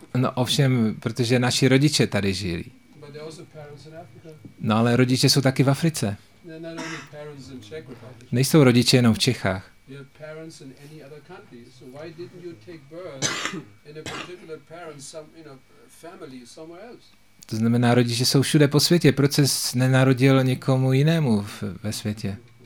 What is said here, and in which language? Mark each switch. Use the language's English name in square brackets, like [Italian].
[Czech] No, ovšem, protože naši rodiče tady žijí. [English] But there are also parents in Africa. [Czech] No, ale rodiče jsou taky v Africe. [English] They're not only parents in Czech Republic. [Czech] Nejsou rodiče jenom v Čechách. [English] You have parents in any other country. So why didn't you take birth in a particular parent, some, you know, family somewhere else? [Czech] To znamená, rodiče jsou všude po světě. Proč jsi nenarodil někomu jinému ve světě?